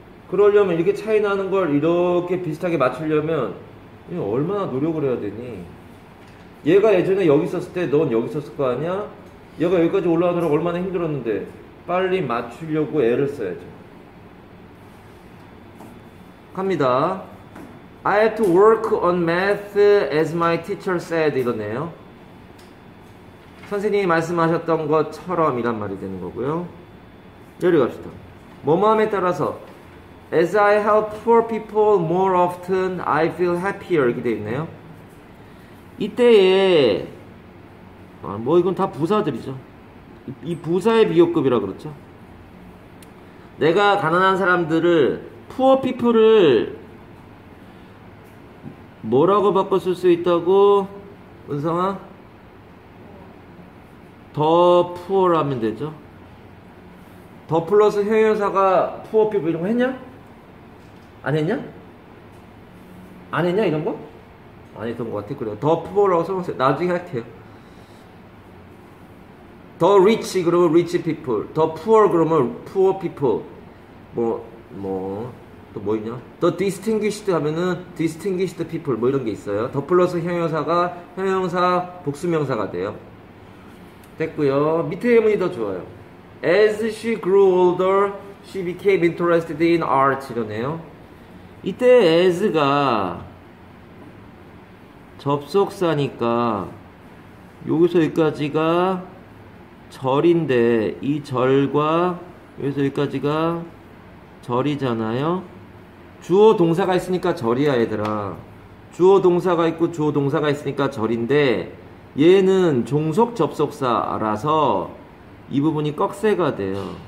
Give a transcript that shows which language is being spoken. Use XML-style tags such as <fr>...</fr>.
<ko>그러려면 이렇게 차이 나는 걸 이렇게 비슷하게 맞추려면 얼마나 노력을 해야 되니? 얘가 예전에 여기 있었을 때 넌 여기 있었을 거 아니야? 얘가 여기까지 올라오느라 얼마나 힘들었는데 빨리 맞추려고 애를 써야죠. 갑니다.</ko> <en>I have to work on math as my teacher said.</en> <ko>이러네요. 선생님이 말씀하셨던 것처럼 이란 말이 되는 거고요. 내려갑시다. 모모함에 따라서</ko> <en>As I help poor people more often, I feel happier.</en> <ko>이렇게 되어 있네요. 이때에 뭐 이건 다 부사들이죠. 이 부사의 비교급이라 그렇죠. 내가 가난한 사람들을</ko> <en>poor people</en> <ko>을 뭐라고 바꿔 쓸 수 있다고? 은성아?</ko> <en>더 poor</en> <ko>하면 되죠. 더 플러스 형용사가</ko> <en>poor people</en> <ko>이런 거 했냐? 안 했냐? 안 했냐 이런 거? 안 했던 것 같아. 그래요.</ko> <en>더 poor</en> <ko>라고 써보세요. 나중에 할게요.</ko> <en>더 rich</en> <ko>그러면</ko> <en>rich people, 더 poor</en> <ko>그러면</ko> <en>poor people.</en> <ko>또 뭐 있냐?</ko> <en>더 distinguished</en> <ko>하면은</ko> <en>distinguished people</en> <ko>뭐 이런 게 있어요. 더 플러스 형용사가 형용사 복수명사가 돼요. 됐고요. 밑에 예문이 더 좋아요.</ko> <en>As she grew older, she became interested in art</en> <ko>이러네요. 이때 as가 접속사니까 여기서 여기까지가 절인데 이 절과 여기서 여기까지가 절이잖아요. 주어 동사가 있으니까 절이야 얘들아. 주어 동사가 있고 주어 동사가 있으니까 절인데 얘는 종속 접속사라서 이 부분이 꺽쇠가 돼요.</ko>